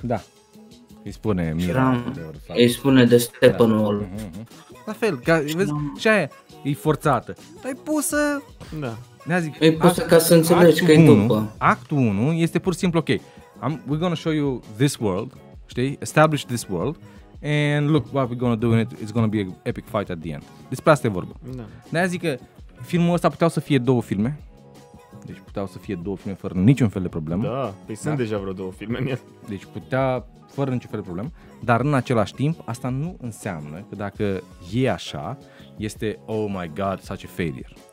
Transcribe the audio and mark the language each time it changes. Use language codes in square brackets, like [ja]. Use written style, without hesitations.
[ro] Da. Îi spune Mira. Eram, de îi spune de Steppenwolf. Da. La fel, ca, vezi, și aia e forțată. Dar e pusă... Da. Zic, e pusă act, ca să înțelegi că e după. Actul 1 este pur și simplu ok. [en] We're gonna show you this world [ro] știi? [en] Establish this world and look what we're gonna do in it. It's gonna be an epic fight at the end. [ro] Despre asta e vorba. Da. De-aia zic că filmul ăsta puteau să fie două filme. Deci puteau să fie două filme fără niciun fel de problemă. Da, păi sunt deja vreo două filme în el. Deci putea fără niciun fel de problemă. Dar în același timp, asta nu înseamnă că dacă e așa, este [en] oh my god, such a failure.